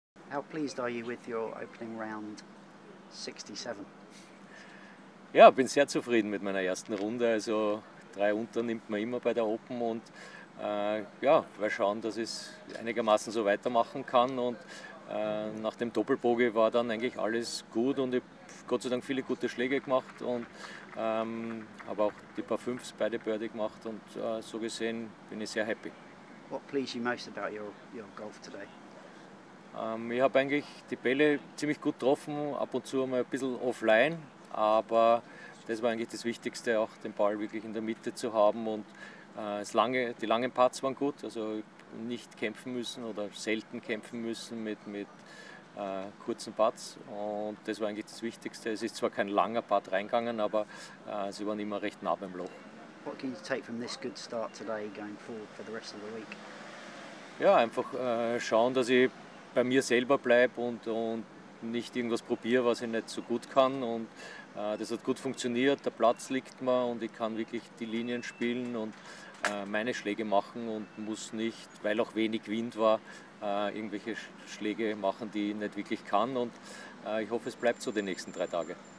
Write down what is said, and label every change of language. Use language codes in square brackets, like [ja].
[en] How pleased are you with your opening round 67? [de] Ja, bin sehr zufrieden mit meiner ersten Runde. Also 3 unter nimmt man immer bei der Open, und ja, wir schauen, dass ich es einigermaßen so weitermachen kann. Und nach dem Doppelbogey war dann eigentlich alles gut, und ich habe Gott sei Dank viele gute Schläge gemacht und habe auch die paar 5s beide Birdie gemacht, und so gesehen bin ich sehr happy. [en] What pleased you most about your golf today? [de] Ich habe eigentlich die Bälle ziemlich gut getroffen, ab und zu mal ein bisschen offline, aber das war eigentlich das Wichtigste, auch den Ball wirklich in der Mitte zu haben. Und die langen Parts waren gut, also nicht kämpfen müssen oder selten kämpfen müssen mit kurzen Parts. Und das war eigentlich das Wichtigste. Es ist zwar kein langer Part reingegangen, aber sie waren immer recht nah beim Loch. [en] What can you take from this good start today going forward for the rest of the week? [de] Ja, einfach schauen, dass ich bei mir selber bleibe und nicht irgendwas probiere, was ich nicht so gut kann. Und das hat gut funktioniert, der Platz liegt mir, und ich kann wirklich die Linien spielen und meine Schläge machen und muss nicht, weil auch wenig Wind war, irgendwelche Schläge machen, die ich nicht wirklich kann. Und ich hoffe, es bleibt so die nächsten 3 Tage.